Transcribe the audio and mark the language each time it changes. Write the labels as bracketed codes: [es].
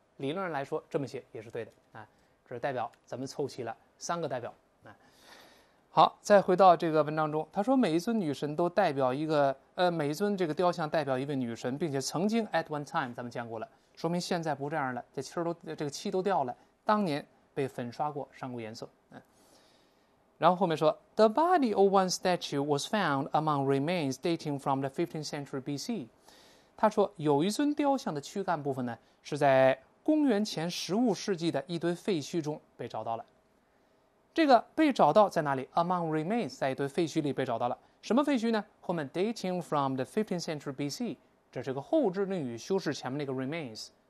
[zh] 理论来说这么写也是对的啊。这是代表，咱们凑齐了三个代表啊。好，再回到这个文章中，他说每一尊女神都代表一个，每一尊这个雕像代表一位女神，并且曾经 [en] at one time [zh] 咱们见过了，说明现在不这样了，这漆都这个漆都掉了，当年被粉刷过，上过颜色。然后后面说， [en] the body of one statue was found among remains dating from the 15th century BC。 [zh] 他说有一尊雕像的躯干部分呢，是在公元前15世纪的一堆废墟中被找到了。这个被找到在哪里？ [en] Among remains， [zh] 在一堆废墟里被找到了。什么废墟呢？后面 [en] dating from the 15th century BC， [zh] 这是个后置定语，修饰前面那个 remains。